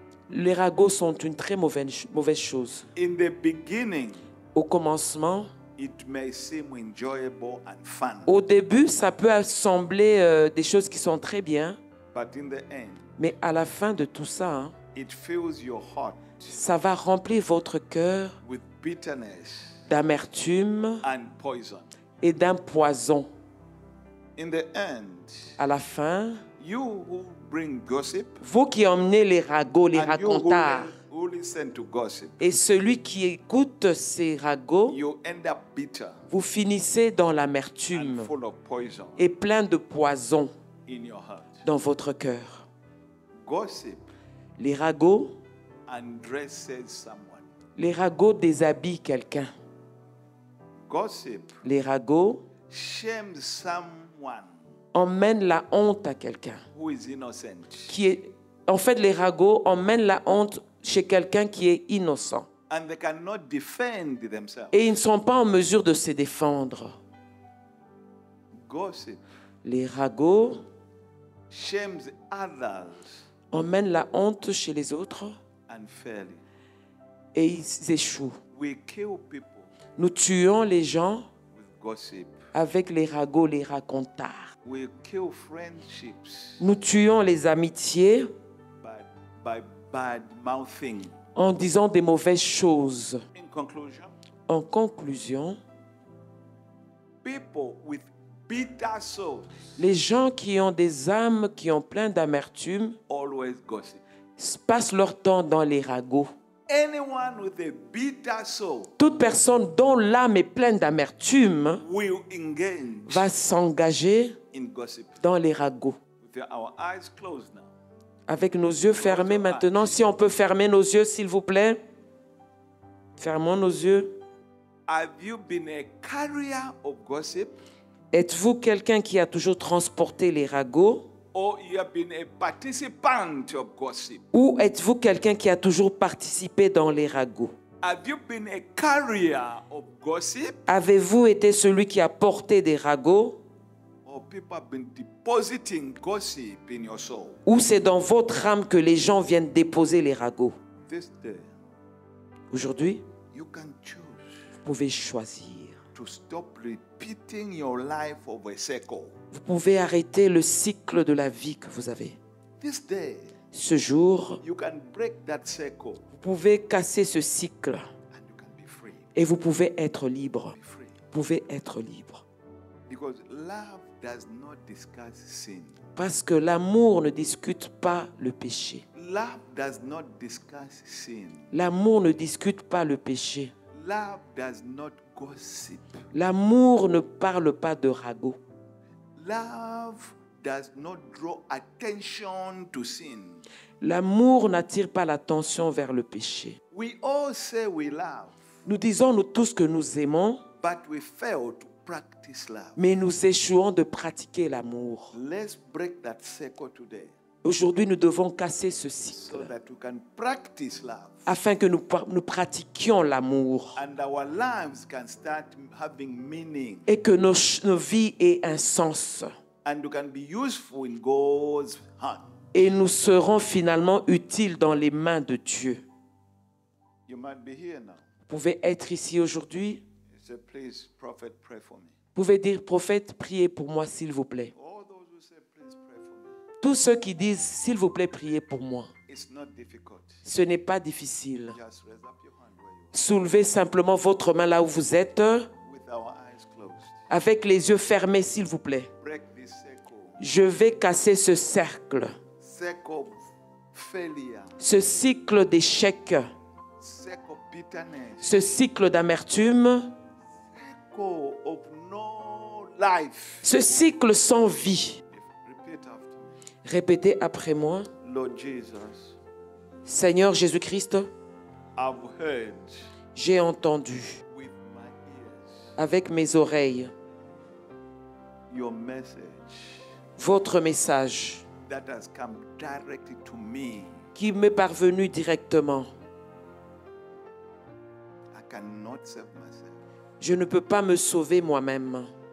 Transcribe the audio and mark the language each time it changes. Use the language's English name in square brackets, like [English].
[French] Les ragots sont une très mauvaise chose. [English] In the beginning, [French] au commencement. [English] It may seem enjoyable and fun. [French] Au début, ça peut sembler des choses qui sont très bien. [English] But in the end, [French] mais à la fin de tout ça, [English] it fills your heart, [French] ça va remplir votre cœur [English] with bitterness, [French] d'amertume [English] and poison. [French] Et d'un poison. [English] In the end, [French] à la fin, [English] you who bring gossip, [French] vous qui emmenez les ragots, les racontards, [English] who listen to gossip. [French] Et celui qui écoute ces ragots, [English] you end up bitter, [French] vous finissez dans l'amertume [English] and full of poison, [French] et plein de poison [English] in your heart. [French] Dans votre cœur. [English] Gossip, [French] les ragots [English] addresses someone. [French] Les ragots déshabillent quelqu'un. [English] Gossip. [French] Les ragots. [English] Shame someone. [French] Emmène la honte à quelqu'un. [English] Who is innocent. [French] Qui est, en fait, les ragots emmènent la honte chez quelqu'un qui est innocent. [English] And they cannot defend themselves. [French] Et ils ne sont pas en mesure de se défendre. [English] Gossip. [French] Les ragots. [English] Shame others. [French] Emmènent la honte chez les autres. [English] Unfairly. [French] Et ils échouent. [English] We kill people. [French] Nous tuons les gens. [English] With gossip. [French] Avec les ragots, les racontards. [English] We kill friendships. [French] Nous tuons les amitiés [English] by bad mouthing. [French] En disant des mauvaises choses. [English] In conclusion, [French] en conclusion, [English] people with bitter souls, [French] les gens qui ont des âmes qui ont plein d'amertume [English] always gossip. [French] Passent leur temps dans les ragots. [English] Anyone with a bitter soul, [French] toute personne dont l'âme est pleine d'amertume [English] will engage [French] va s'engager [English] in gossip. [French] Dans les ragots. [English] With our eyes closed now. [French] Avec nos yeux fermés maintenant, si on peut fermer nos yeux, s'il vous plaît. Fermons nos yeux. [English] Have you been a carrier of gossip? [French] Êtes-vous quelqu'un qui a toujours transporté les ragots? [English] Or you have been a participant of gossip? [French] Ou êtes-vous quelqu'un qui a toujours participé dans les ragots? [English] Have you been a carrier of gossip? [French] Avez-vous été celui qui a porté des ragots? [English] People have been depositing gossip in your soul. [French] Où c'est dans votre âme que les gens viennent déposer les ragots. [English] This day, [French] aujourd'hui, [English] you can choose. [French] Vous pouvez choisir. [English] To stop repeating your life over a cycle. [French] Vous pouvez arrêter le cycle de la vie que vous avez. [English] This day, [French] ce jour, [English] you can break that cycle. [French] Vous pouvez casser ce cycle. [English] And you can be free. [French] Et vous pouvez être libre. [English] Be free. [French] Vous pouvez être libre. [English] Because love does not discuss sin. [French] Parce que l'amour ne discute pas le péché. [English] Love does not discuss sin. [French] L'amour ne discute pas le péché. [English] Love does not gossip. [French] L'amour ne parle pas de ragots. [English] Love does not draw attention to sin. [French] L'amour n'attire pas l'attention vers le péché. [English] We all say we love. [French] Nous disons nous tous que nous aimons. [English] But we fail to practice love. [French] Mais nous échouons de pratiquer l'amour. [English] Let's break that cycle today. [French] Aujourd'hui, nous devons casser ce cycle. [English] So that we can practice love. [French] Afin que nous pratiquions l'amour. [English] And our lives can start having meaning. [French] Et que nos vies aient un sens. [English] And we can be useful in God's hand. [French] Et nous serons finalement utiles dans les mains de Dieu. [English] You might be here now. [French] Vous pouvez être ici aujourd'hui. [English] So please, prophet, pray for me. [French] Vous pouvez dire, prophète, priez pour moi, s'il vous plaît. [English] All those who say, please pray for me. [French] Tous ceux qui disent, s'il vous plaît, priez pour moi. [English] It's not difficult. [French] Ce n'est pas difficile. [English] Just raise up your hand where you are. [French] Soulevez simplement votre main là où vous êtes. [English] With our eyes closed. [French] Avec les yeux fermés, s'il vous plaît. [English] Break this circle. [French] Je vais casser ce cercle. [English] Circle of failure. [French] Ce cycle d'échec. [English] Circle of bitterness. [French] Ce cycle d'amertume. [English] Of no life. [French] Ce cycle sans vie. [English] Repeat after me. [French] Répétez après moi. [English] Lord Jesus, [French] Seigneur Jésus-Christ, [English] I've heard, [French] j'ai entendu [English] with my ears, [French] avec mes oreilles [English] your message, [French] votre message [English] that has come directly to me, [French] qui m'est parvenu directement. [English] I cannot save myself. [French] Je ne peux pas me sauver moi-même.